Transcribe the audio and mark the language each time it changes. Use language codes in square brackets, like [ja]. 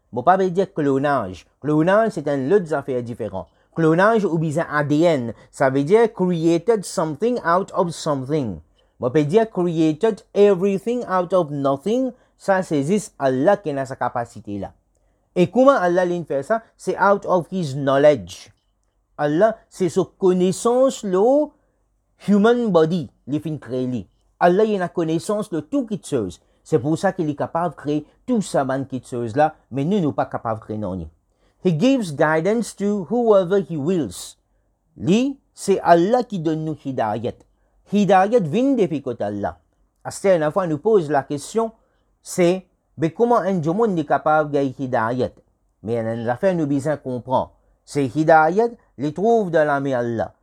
[fr] Bon, pas dire clonage. Clonage, c'est un autre affaire différent. Clonage ou bien ADN, ça veut dire [en] created something out of something. [fr] Bon, pas dire [en] created everything out of nothing, [fr] ça c'est juste Allah qui a sa capacité là. Et comment Allah l'a fait ça? [en] C'est out of his knowledge. [fr] Allah, c'est sa connaissance là, human body, il fin créé lui. Allah, il a connaissance de tout qui chose. C'est pour ça qu'il est capable de créer tout ça, man, qui chose là, mais nous, nous pas capable de créer non. [en] He gives guidance to whoever he wills. [fr] Lui, c'est Allah qui donne nous hidayat. Hidayat vient de côté Allah. À cette fois, nous pose la question, c'est, mais comment un jour monde est capable de gagner hidayat? Mais il y a une affaire, nous, besoin comprend. C'est hidayat, il trouve dans la main Allah.